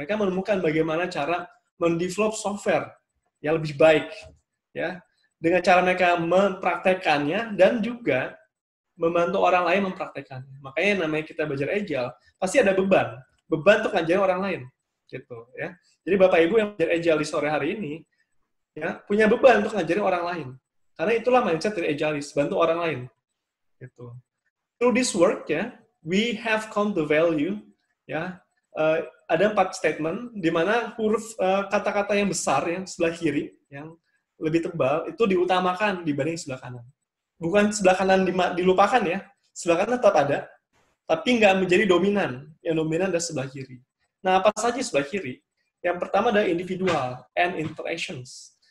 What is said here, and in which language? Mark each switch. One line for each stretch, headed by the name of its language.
Indonesian: Mereka menemukan bagaimana cara mendevelop software yang lebih baik ya, dengan cara mereka mempraktekannya dan juga membantu orang lain mempraktekannya. Makanya namanya kita belajar agile, pasti ada beban. Beban untuk ngajarin orang lain. Gitu, ya. Jadi Bapak Ibu yang belajar agile di sore hari ini, ya, punya beban untuk ngajarin orang lain. Karena itulah mindset dari agilis, bantu orang lain. Gitu.
English: Through this work, ya, we have come to value.
Indonesian: Ya. Ada 4 statement, di mana huruf kata-kata yang besar, yang sebelah kiri, yang lebih tebal, itu diutamakan dibanding sebelah kanan. Bukan sebelah kanan dilupakan ya, sebelah kanan tetap ada, tapi nggak menjadi dominan. Yang dominan adalah sebelah kiri. Nah, apa saja sebelah kiri? Yang pertama adalah
English: individual and interactions.